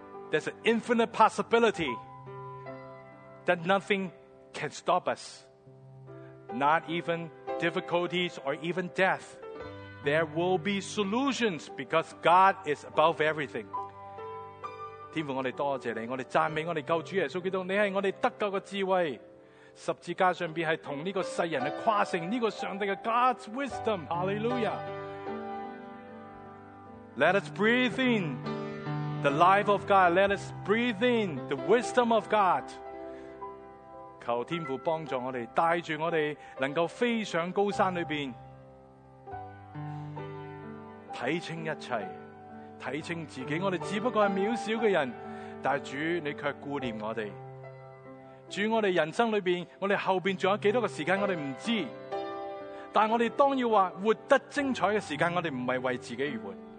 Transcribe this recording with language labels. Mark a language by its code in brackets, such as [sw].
[en] There's an infinite possibility that nothing can stop us, not even difficulties or even death. There will be solutions because God is above everything. [zh] 天父，我们多谢你，我们赞美我们救主耶稣基督，你是我们得救的智慧，十字架上面是跟这个世人的跨城，这个上帝的 [en] God's wisdom. Hallelujah. Let us breathe in the life of God. Let us breathe in the wisdom of God. [zh] 求天父帮助我们，带着我们能够飞上高山里面，看清一切，看清自己，我们只不过是渺小的人，但主你却顾念我们。主，我们人生里面，我们后面还有多少个时间我们不知道，但我们当要说活得精彩的时间，我们不是为自己而活，